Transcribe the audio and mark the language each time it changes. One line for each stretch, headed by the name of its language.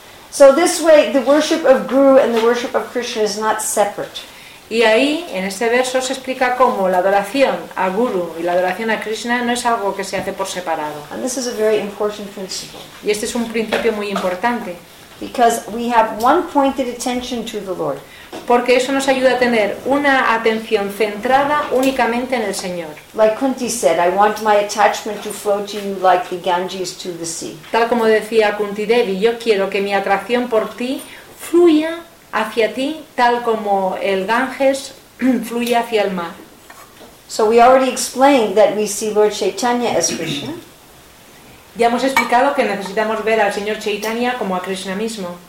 English: So this way, the worship of Guru and the worship of Krishna is not separate.
Spanish: Y ahí, en este verso, se explica cómo la adoración a Guru y la adoración a Krishna no es algo que se hace por separado.
English: And this is a very important principle.
Spanish: Y este es un principio muy importante.
English: Because we have one pointed attention to the Lord.
Spanish: Porque eso nos ayuda a tener una atención centrada únicamente en el Señor.
English: Like Kunti said, I want my attachment to flow to you like the Ganges to the sea.
Spanish: Tal como decía Kunti Devi, yo quiero que mi atracción por ti fluya hacia ti, tal como el Ganges fluye hacia el mar.
English: So we already explained that we see Lord Chaitanya as Krishna.
Spanish: Ya hemos explicado que necesitamos ver al señor Chaitanya como a Krishna mismo.